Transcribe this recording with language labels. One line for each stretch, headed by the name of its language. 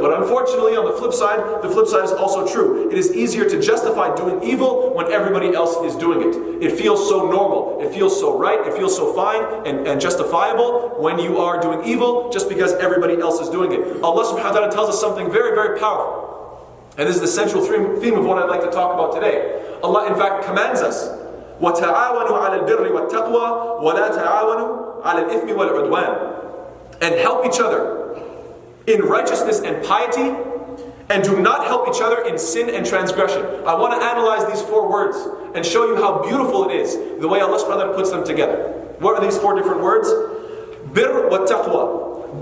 English: But unfortunately, on the flip side is also true. It is easier to justify doing evil when everybody else is doing it. It feels so normal, it feels so right, it feels so fine and justifiable when you are doing evil just because everybody else is doing it. Allah subhanahu wa ta'ala tells us something very, very powerful. And this is the central theme of what I'd like to talk about today. Allah, in fact, commands us,
Arabic: وَتَعَاوَنُوا عَلَى الْبِرِّ وَالتَّقْوَى وَلَا تَعَاوَنُوا عَلَى الْإِثْمِ وَالْعُدْوَانِ.
English: And help each other in righteousness and piety, and do not help each other in sin and transgression. I want to analyze these four words and show you how beautiful it is the way Allah subhanahu wa ta'ala puts them together. What are these four different words? Birr wa taqwa.